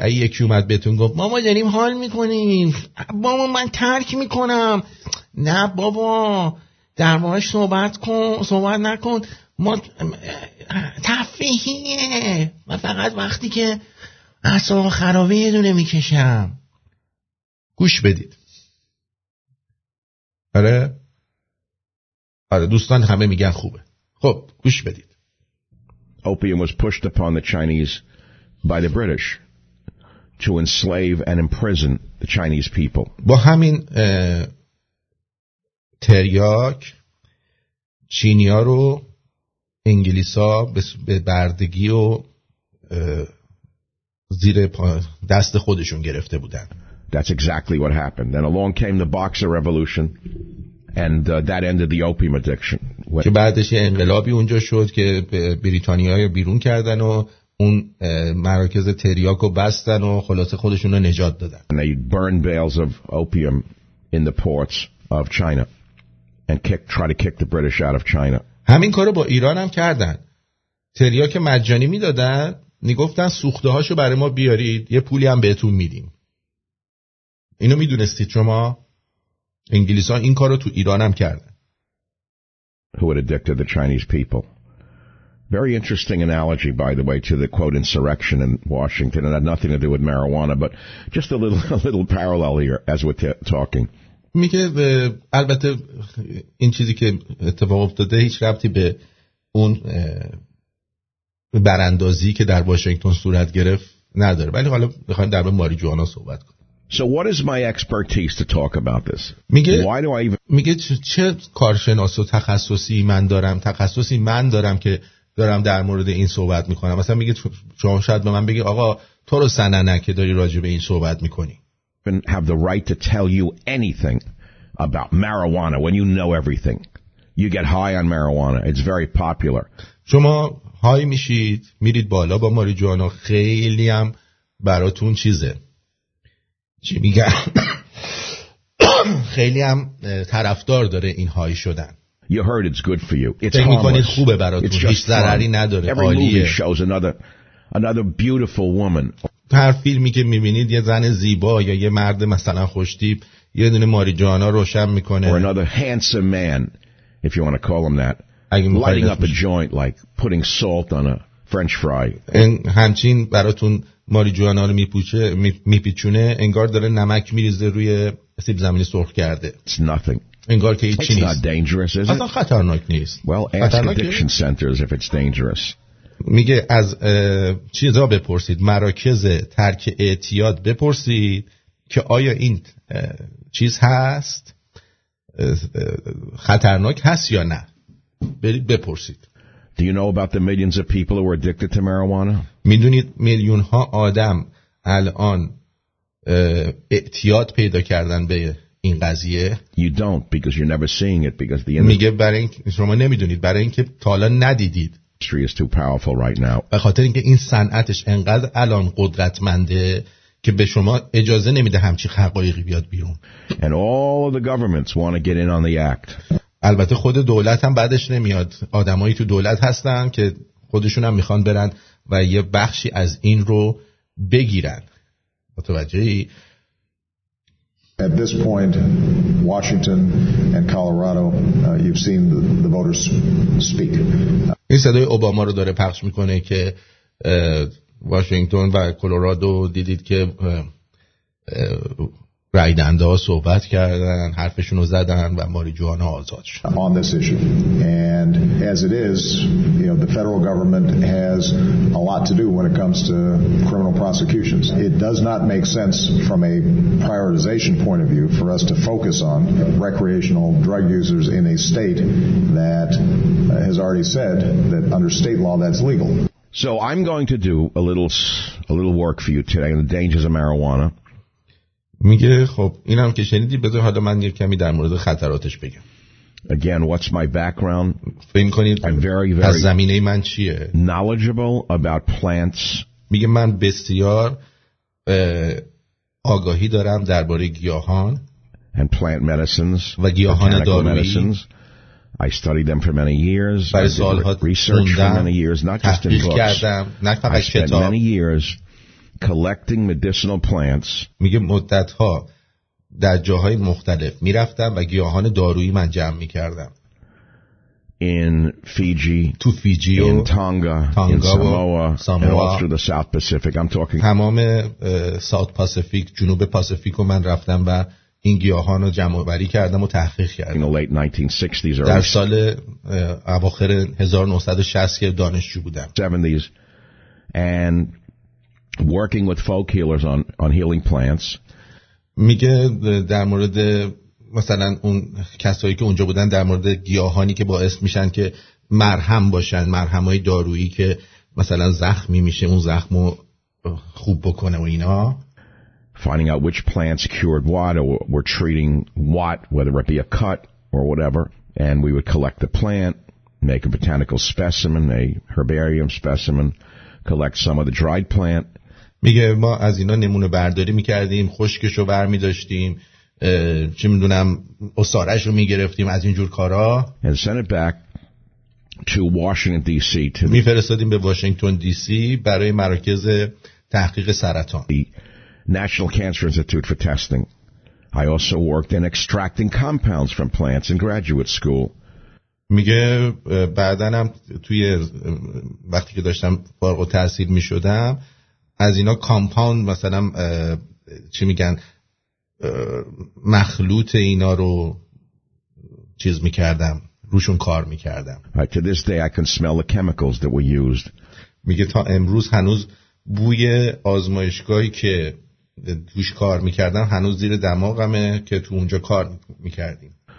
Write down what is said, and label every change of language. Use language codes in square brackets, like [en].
[fa] اگه یکی اومد بهتون گفت ماما داریم حال میکنیم، ماما من ترک میکنم، نه بابا در موردش صحبت کن، صحبت نکن، ما تفریحیه، من فقط وقتی که اصلا خرابه یه دونه میکشم. گوش بدید. آره آره دوستان همه میگن خوبه، خب گوش بدید. [en] Opium was pushed upon the Chinese by the British to enslave and imprison the Chinese people. [fa] با همین تریاک چینی ها رو انگلیس ها به بردگی و زیر دست خودشون گرفته بودن. [en] That's exactly what happened. And along came the Boxer Revolution and that ended the opium addiction. [fa] که بعدش یه انقلابی اونجا شد که بریتانیا رو بیرون کردن و اون مراکز تریاک رو بستن و خلاصه خودشون رو نجات دادن. [en] And they burned bales of opium in the ports of China and try to kick the British out of China. [fa] همین کارو با ایران هم کردن. تریاک مجانی میدادن، میگفتن سوخته هاشو برای ما بیارید، یه پولی هم بهتون میدیم. اینو میدونستید شما؟ انگلیسا این کارو تو ایران هم کردن. [en] Who had addicted the Chinese people? Very interesting analogy, by the way, to the quote insurrection in Washington. It had nothing to do with marijuana, but just a little parallel here as we're talking. [fa] میگه البته این چیزی که اتفاق افتاده هیچ ربطی به اون براندازی که در واشنگتن صورت گرفت نداره، ولی حالا میخوایم در مورد ماری جوانا صحبت کنیم. [en] So what is my expertise to talk about this? [fa] میگه چه کارشناس و تخصصی من دارم، تخصصی من دارم که دارم در مورد این صحبت میکنم. مثلا میگه شما شاید به من بگی آقا تو رو سننه که داری راجع به این صحبت میکنی. [en] And have the right to tell you anything about marijuana when you know everything. You get high on marijuana. It's very popular. [fa] شما های میشید، میرید بالا با ماریجوانا، خیلی هم براتون چیزه. چی میگم؟ خیلی هم طرفدار داره این های شدن. [en] You heard it's good for you. It's harmless. [fa] فکر میکنید خوبه براتون. هیچ ضرری نداره. [en] Every movie shows another beautiful woman. [fa] هر فیلمی که میبینید یه زن زیبا یا یه مرد مثلا خوشتیپ یه دونه ماریجوانا روشن میکنه. [en] Or another handsome man, if you want to call him that. Lighting up a joint like putting salt on a French fry. [fa] همچین براتون ماریجوانا رو میپیچونه انگار داره نمک میریزه روی سیب زمینی سرخ کرده. [en] It's nothing. [fa] انگار که هیچی نیست. [en] It's not dangerous, is it? [fa] اصلا خطرناک نیست. [en] Well, ask addiction centers if it's dangerous. [fa] میگه از چیزا بپرسید، مراکز ترک اعتیاد بپرسید که آیا این چیز هست، خطرناک هست یا نه، برید بپرسید. [en] Do you know about the millions of people who are addicted to marijuana? [fa] میدونید میلیون ها آدم الان اعتیاد پیدا کردن به این قضیه؟ [en] You don't because you're never seeing it because the [fa] میگه برای اینکه شما نمیدونید، برای اینکه تا الان ندیدید. [en] Industry is too powerful right now. [fa] به خاطر اینکه این صنعتش انقدر الان قدرتمنده که به شما اجازه نمیده همچی حقایقی بیاد بیرون. And all the governments want to get in on the act. البته خود دولت هم بعدش نمیاد. آدمایی تو دولت هستن که خودشون هم میخوان برن و یه بخشی از این رو بگیرن. متوجهی؟ [en] At this point, Washington and Colorado, you've seen the voters speak. [fa] این صدای اوباما رو داره پخش میکنه که واشنگتن و کلرادو دیدید که رای دهنده ها صحبت کردن، حرفشون رو زدن و ماریجوانا آزاد شد. [en] On this issue. And as it is, you know, the federal government has a lot to do when it comes to criminal prosecutions. It does not make sense from a prioritization point of view for us to focus on recreational drug users in a state that has already said that under state law that's legal. So I'm going to do a little work for you today on the dangers of marijuana. [fa] میگه خب اینم که شنیدی بذار حالا من یه کمی در مورد خطراتش بگم. [en] Again, what's my background? [fa] فهم کنید. [en] I'm very, very [fa] زمینه من چیه؟ [en] Knowledgeable about plants. [fa] میگه من بسیار آگاهی دارم درباره گیاهان. [en] And plant medicines. [fa] و گیاهان دارویی. [en] I studied them for many years. [fa] برای سالها خوندم. [en] Many years, not just in books. [fa] تحقیق کردم. نه فقط کتاب. [en] I spent many years collecting medicinal plants. [fa] میگه مدت‌ها در جاهای مختلف میرفتم و گیاهان دارویی من جمع میکردم. [en] In Fiji, [fa] تو فیجی و [en] Tonga, in Samoa, and all through the South Pacific. I'm talking. [fa] تمام ساوت پاسیفیک، جنوب پاسیفیک رو من رفتم و این گیاهان رو جمع آوری کردم و تحقیق کردم. [en] In the late 1960s or [fa] در سال اواخر 1960 که دانشجو بودم. [en] 70s and working with folk healers on healing plants. [fa] میگه در مورد مثلا اون کسایی که اونجا بودن در مورد گیاهانی که باعث میشن که مرهم باشن، مرهمای دارویی که مثلا زخمی میشه اون زخمو خوب بکنه و اینا. [en] Finding out which plants cured what or were treating what, whether it be a cut or whatever, and we would collect the plant, make a botanical specimen, a herbarium specimen, collect some of the dried plant. [fa] میگه ما از اینا نمونه برداری میکردیم، خشکشو برمیداشتیم، چی میدونم اسارش رو میگرفتیم، از اینجور کارا. [en] And send it back to Washington D.C. to [fa] میفرستادیم به واشنگتن دی سی برای مرکز تحقیق سرطان. [en] The National Cancer Institute for testing. I also worked in extracting compounds from plants in graduate school. [fa] میگه بعدنم توی وقتی که داشتم فارغ التحصیل میشدم از اینا کامپاوند مثلا چی میگن مخلوط اینا رو چیز میکردم، روشون کار میکردم. [en] To this day I can smell the chemicals that were used. [fa] میگه تا امروز هنوز بوی آزمایشگاهی که دوش کار میکردم هنوز زیر دماغمه که تو اونجا کار میکردیم.